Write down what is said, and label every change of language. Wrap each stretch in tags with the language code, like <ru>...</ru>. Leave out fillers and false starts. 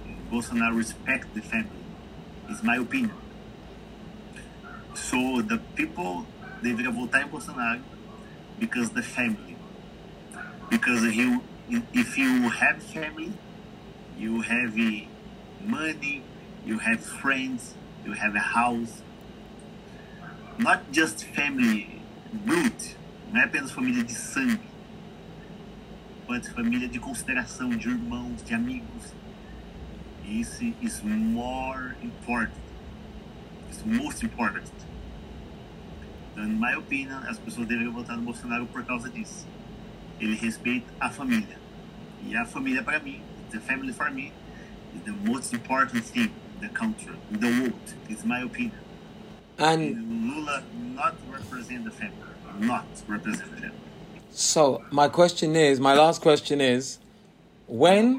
<en>Bolsonaro respect the family. It's my opinion. So the people, they will vote in Bolsonaro because the family. Because if you have family, you have money, you have friends, you have a house. Not just family, blood.</en> <pt>Não é apenas família de sangue, mas família de consideração, de irmãos, de amigos.</pt> <en>This is more important. It's most important. In my opinion,</en> <pt>as pessoas deveriam votar no Bolsonaro por causa disso. Ele respeita a família. E a família para mim,</pt> <en>the family for me, is the most important thing in the country, in the world. It's my opinion. And Lula not represent the family. Not represent the family. So my question is, my last question is, when...</en>